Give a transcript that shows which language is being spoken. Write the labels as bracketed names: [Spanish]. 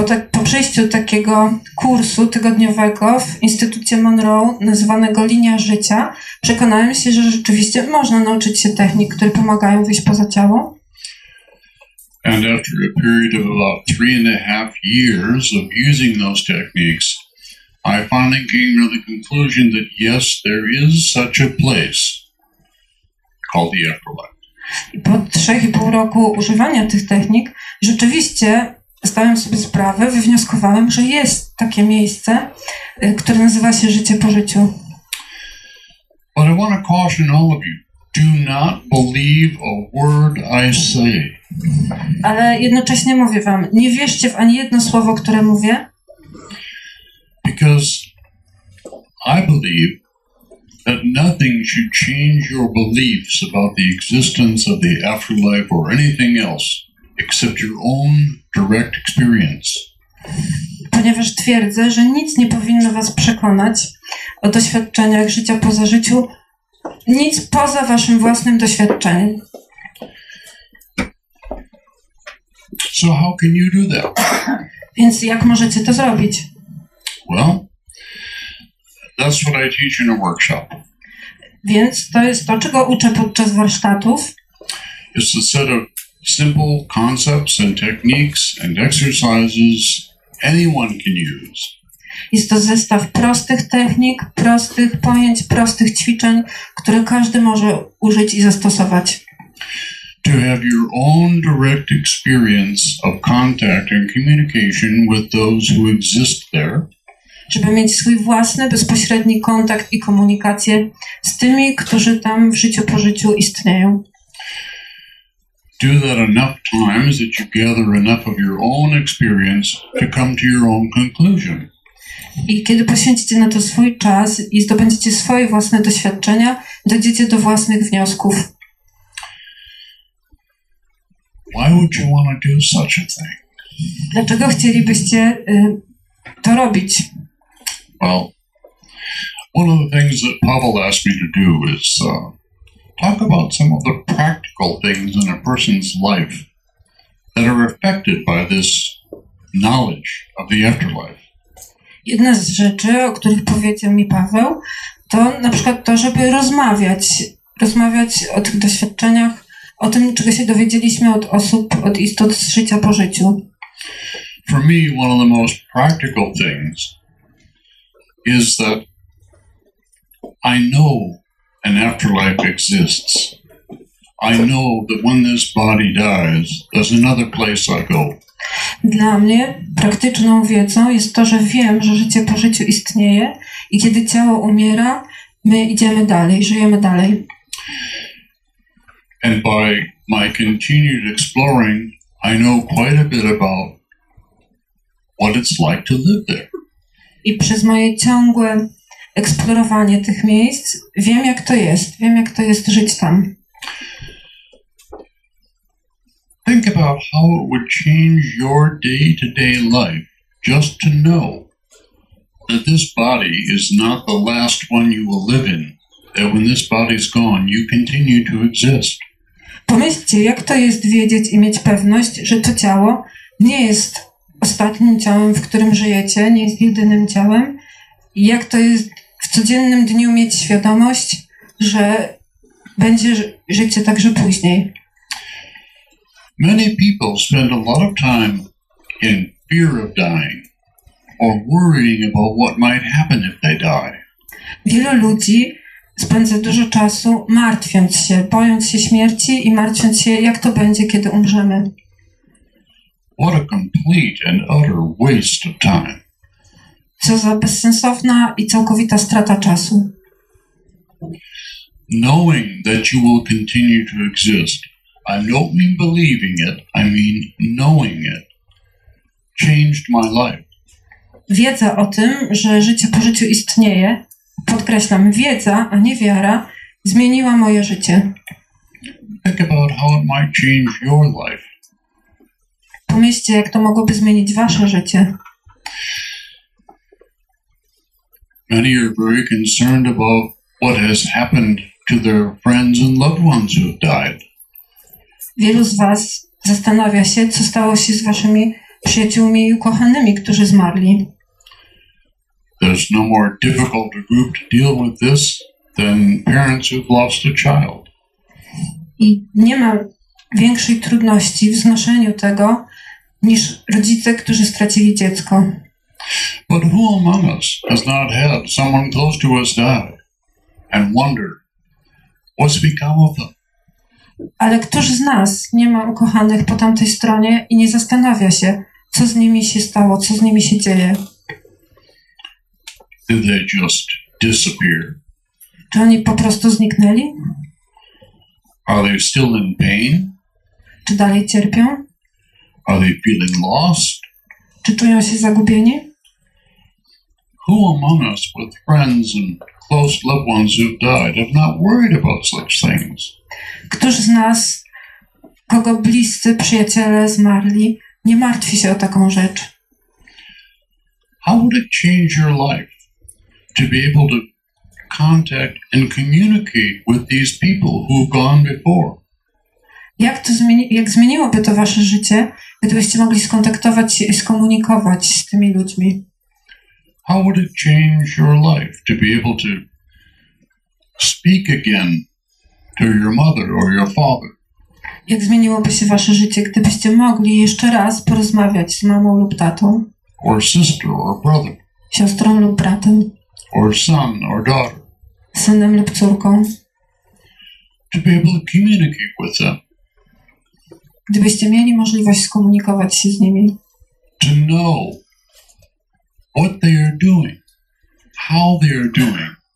[Polish] Po przejściu takiego kursu tygodniowego w Instytucie Monroe, nazywanego Linia Życia, przekonałem się, że rzeczywiście można nauczyć się technik, które pomagają wyjść poza ciało. [English] And after a period of about 3.5 years of using those techniques, I finally came to the conclusion that yes, there is such a place called the afterlife. [Polish] I po 3.5 roku używania tych technik, rzeczywiście zdałem sobie sprawę, wywnioskowałem, że jest takie miejsce, które nazywa się życie po życiu. [English] But I want to caution all of you, do not believe a word I say. [Polish] Ale jednocześnie mówię wam, nie wierzcie w ani jedno słowo, które mówię. [English] Because I believe that nothing should change your beliefs about the existence of the afterlife or anything else except your own direct experience. [Polish] Ponieważ twierdzę, że nic nie powinno was przekonać o doświadczeniach życia poza życiu, nic poza waszym własnym doświadczeniem. [English] So how can you do that? [Polish] Więc jak możecie to zrobić? [English] Well, that's what I teach in a workshop. [Polish] Więc to jest to, czego uczę podczas warsztatów. [English] It's a set of simple concepts and techniques and exercises anyone can use. [Polish] Jest to zestaw prostych technik, prostych pojęć, prostych ćwiczeń, które każdy może użyć i zastosować. [English] To have your own direct experience of contact and communication with those who exist there. [Polish] Żeby mieć swój własny, bezpośredni kontakt i komunikację z tymi, którzy tam w życiu po życiu istnieją. [English] Do that enough times that you gather enough of your own experience to come to your own conclusion. [Polish] I kiedy poświęcicie na to swój czas i zdobędziecie swoje własne doświadczenia, dojdziecie do własnych wniosków. [English] Why would you want to do such a thing? [Polish] Dlaczego chcielibyście to robić? [English] Well, one of the things that Pavel asked me to do is talk about some of the practical things in a person's life that are affected by this knowledge of the afterlife. [Polish] Jedna z rzeczy, o których powiedział mi Paweł, to na przykład to, żeby rozmawiać o tych doświadczeniach, o tym, czego się dowiedzieliśmy od osób, od istot z życia po życiu. [English] For me, one of the most practical things is that I know an afterlife exists. I know that when this body dies, there's another place I go. [Polish] Dla mnie praktyczną wiedzą jest to, że wiem, że życie po życiu istnieje i kiedy ciało umiera, my idziemy dalej, żyjemy dalej. [English] And by my continued exploring, I know quite a bit about what it's like to live there. [Polish] I przez moje ciągłe eksplorowanie tych miejsc wiem, jak to jest. Wiem, jak to jest żyć tam. [English] Think about how it would change your day-to-day life just to know that this body is not the last one you will live in, that when this body's gone, you continue to exist. [Polish] Pomyślcie, jak to jest wiedzieć i mieć pewność, że to ciało nie jest ostatnim ciałem, w którym żyjecie, nie jest jedynym ciałem. I jak to jest w codziennym dniu mieć świadomość, że będzie życie także później. [English] Many people spend a lot of time in fear of dying or worrying about what might happen if they die. [Polish] Wielu ludzi spędza dużo czasu martwiąc się, bojąc się śmierci i martwiąc się, jak to będzie, kiedy umrzemy. [English] What a complete and utter waste of time. [Polish] Co za bezsensowna i całkowita strata czasu. [English] Knowing that you will continue to exist, I don't mean believing it, I mean knowing it, changed my life. [Polish] Wiedza o tym, że życie po życiu istnieje, podkreślam, wiedza, a nie wiara, zmieniła moje życie. [English] Think about how it might change your life. [Polish] Pomyślcie, jak to mogłoby zmienić wasze życie. [English] Many are very concerned about what has happened to their friends and loved ones who have died. [Polish] Wielu z was zastanawia się, co stało się z waszymi przyjaciółmi i ukochanymi, którzy zmarli. [English] There's no more difficult a group to deal with this than parents who've lost a child. [Polish] I nie ma większej trudności w znoszeniu tego, niż rodzice, którzy stracili dziecko. [English] But who among us has not had someone close to us die and wonder what's become of them? [Polish] Ale któż z nas nie ma ukochanych po tamtej stronie i nie zastanawia się, co z nimi się stało, co z nimi się dzieje? [English] Did they just disappear? [Polish] Czy oni po prostu zniknęli? [English] Are they still in pain? [Polish] Czy dalej cierpią? [English] Are they feeling lost? [Polish] Czy czują się zagubieni? [English] Who among us with friends and close loved ones who've died have not worried about such things? [Polish] Któż z nas, kogo bliscy przyjaciele zmarli, nie martwi się o taką rzecz? [English] How would it change your life to be able to contact and communicate with these people who've gone before? [Polish] Jak zmieniłoby to wasze życie, gdybyście mogli skontaktować się i skomunikować z tymi ludźmi? [English] How would it change your life to be able to speak again to your mother or your father? [Polish] Jak zmieniłoby się wasze życie, gdybyście mogli jeszcze raz porozmawiać z mamą lub tatą? [English] Or sister or brother. [Polish] Siostrą lub bratem. [English] Or son or daughter. [Polish] Synem lub córką. [English] To be able to communicate with them. [Polish] Gdybyście mieli możliwość skomunikować się z nimi. [English] To know what they are doing, how they are doing.